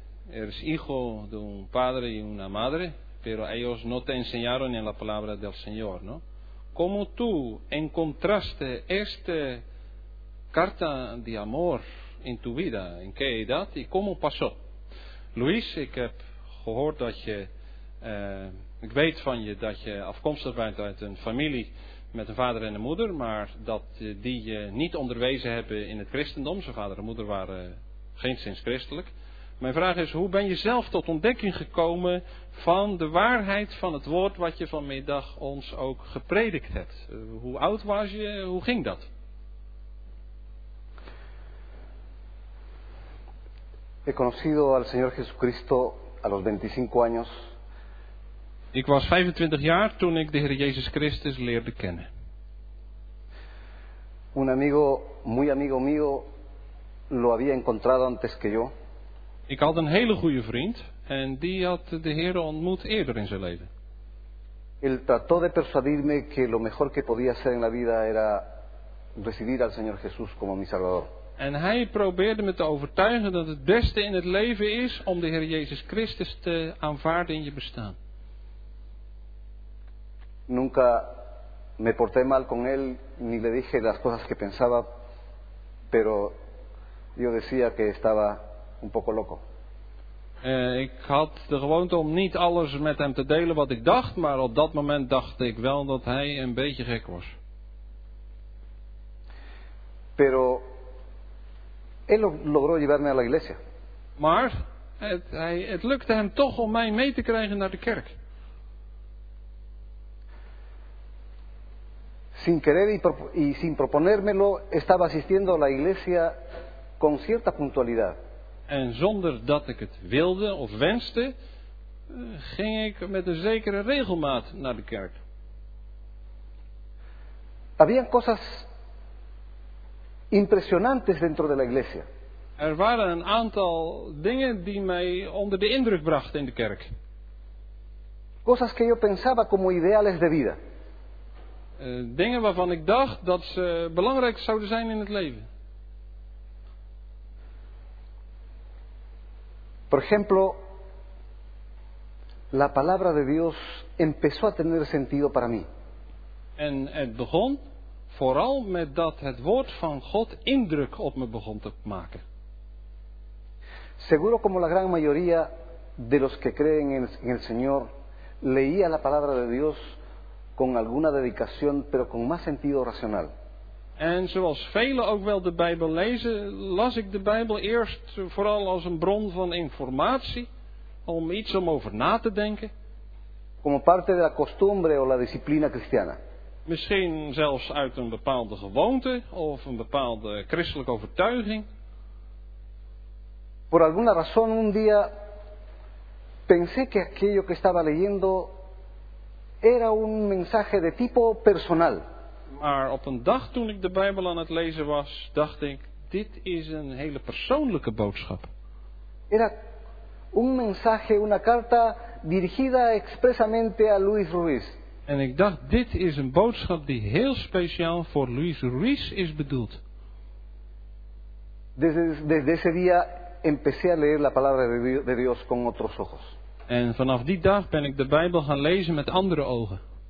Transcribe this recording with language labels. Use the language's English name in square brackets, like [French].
[Spanish] eres hijo de un padre y una madre, pero ellos no te enseñaron en la palabra del Señor, ¿no? ¿Cómo tú encontraste esta carta de amor en tu vida? ¿En qué edad y cómo pasó? [Dutch] Luis, ik heb gehoord dat je, ik weet van je dat je afkomstig bent uit een familie met een vader en een moeder, maar dat die je niet onderwezen hebben in het christendom. Zijn vader en moeder waren geenszins christelijk. Mijn vraag is, hoe ben je zelf tot ontdekking gekomen van de waarheid van het woord wat je vanmiddag ons ook gepredikt hebt? Hoe oud was je? Hoe ging dat? [Spanish] He conocido al Señor Jesucristo a los 25 años. [Dutch] Ik was 25 jaar toen ik de Heer Jezus Christus leerde kennen. [Spanish] Un amigo, muy amigo mío, lo había encontrado antes que yo. [Dutch] Ik had een hele goede vriend en die had de Heer ontmoet eerder in zijn leven. [Spanish] Él trató de persuadirme que lo mejor que podía hacer en la vida era recibir al Señor Jesús como mi Salvador. [Dutch] En hij probeerde me te overtuigen dat het beste in het leven is om de Heer Jezus Christus te aanvaarden in je bestaan. [Spanish] Nunca me porté mal con él ni le dije las cosas que pensaba, pero yo decía que estaba un poco loco. [Dutch] Ik had de gewoonte om niet alles met hem te delen wat ik dacht, maar op dat moment dacht ik wel dat hij een beetje gek was. [Spanish] Pero él logró llevarme a la iglesia. [Dutch] Maar het lukte hem toch om mij mee te krijgen naar de kerk. [Spanish] Sin querer y sin proponérmelo, estaba asistiendo a la iglesia con cierta puntualidad. [Dutch] En zonder dat ik het wilde of wenste, ging ik met een zekere regelmaat naar de kerk. [Spanish] Habían cosas impresionantes dentro de la iglesia. [Dutch] Er waren een aantal dingen die mij onder de indruk brachten in de kerk. [Spanish] Cosas que yo pensaba como ideales de vida. [Dutch] Dingen waarvan ik dacht dat ze belangrijk zouden zijn in het leven. [Spanish] Por ejemplo, la palabra de Dios empezó a tener sentido para mí. [Dutch] En het begon vooral met dat het woord van God indruk op me begon te maken. [Spanish] Seguro como la gran mayoría de los que creen en el Señor leía la palabra de Dios con alguna dedicación, pero con más sentido racional. [Dutch] En zoals velen ook wel de Bijbel lezen, las ik de Bijbel eerst vooral als een bron van informatie, om iets om over na te denken. [Spanish] Como parte de la costumbre o la disciplina cristiana. [Dutch] Misschien zelfs uit een bepaalde gewoonte of een bepaalde christelijke overtuiging. [Spanish] Por alguna razón un día pensé que aquello que estaba leyendo era un mensaje de tipo personal. [Dutch] Maar op een dag toen ik de Bijbel aan het lezen was, dacht ik, dit is een hele persoonlijke boodschap. [Spanish] Era un mensaje, una carta dirigida expresamente a Luis Ruiz. [Dutch] En ik dacht, dit is een boodschap die heel speciaal voor Luis Ruiz is bedoeld. [Spanish] Desde ese día empecé a leer la palabra de Dios con otros ojos. [Dutch] En vanaf die dag ben ik de Bijbel gaan lezen met andere ogen.